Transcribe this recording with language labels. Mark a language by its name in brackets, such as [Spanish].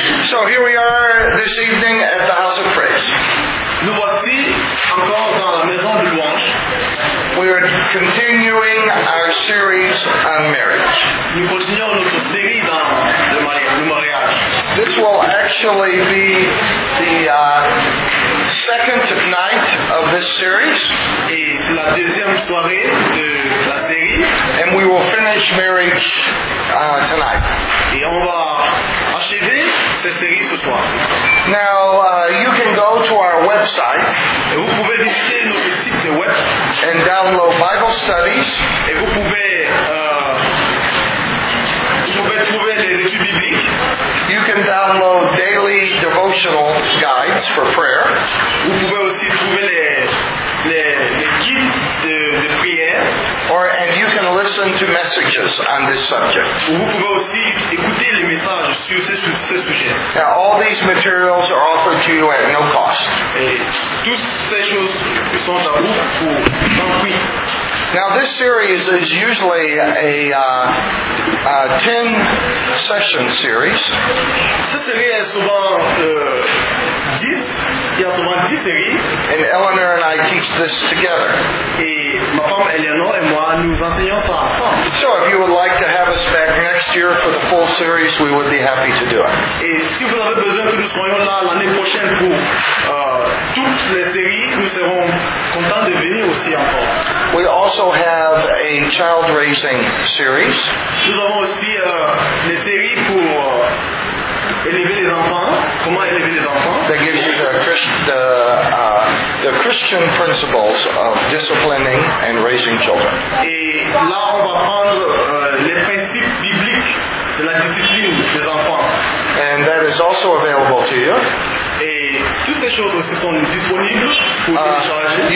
[English] So here we are this evening at the house of praise. [French] Nous voici encore dans la maison de louange. [English] We're continuing our series on marriage. [French] Nous continuons notre série dans le mariage. [English] This will actually be the second night of this series. [French] Et c'est la deuxième soirée de la série. [English] And we will finish marriage tonight. [French] Et on va achever cette série ce soir. [English] Now, you can go to our website. [French] Et vous pouvez visiter notre site web. [English] And download Bible studies. [French] Et vous pouvez trouver les études bibliques. [English] You can download daily devotional guides for prayer. [French] Vous pouvez aussi trouver les guides de prière. [English] And you can listen to messages on this subject. [French] Vous pouvez aussi écouter les messages sur ce sujet. [English] Now, all these materials are offered to you at no cost. [French] Et toutes ces choses sont à vous pour sans prix. [English] Now, this series is usually a 10-session series. [French] Cette série est souvent 10. Il y a souvent 10 séries. [English] And Eleanor and I teach this together. [French] Et ma femme Eleanor et moi, nous enseignons ça ensemble. [English] So, if you would like to have us back next year for the full series, we would be happy to do it. [French] Et si vous avez besoin que nous soyons là l'année prochaine pour toutes les séries, nous serons contents de venir aussi encore. [English] We also have a child raising series. [French] Nous avons aussi les séries pour élever les enfants. Comment élever les enfants? [English] That gives you the Christian principles of disciplining and raising children. [French] Et là, on va prendre les principes bibliques de la discipline des enfants. [English] And that is also available to you. [French] Et toutes ces choses aussi sont disponibles pour télécharger.